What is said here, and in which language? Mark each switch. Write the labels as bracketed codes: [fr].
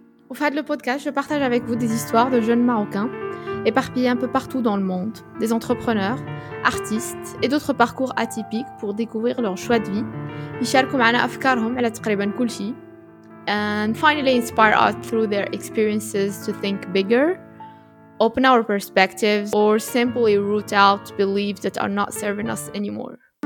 [fr] Au fond de le podcast, je partage avec vous des histoires de jeunes marocains éparpillés un peu partout dans le monde, des entrepreneurs, artistes et d'autres parcours atypiques pour découvrir leur choix de vie. [ar] يشاركوا معنا افكارهم على تقريبا كل شيء. [en] And finally inspire us through their experiences to think bigger. Open our perspectives or simply root out beliefs that are not serving us anymore.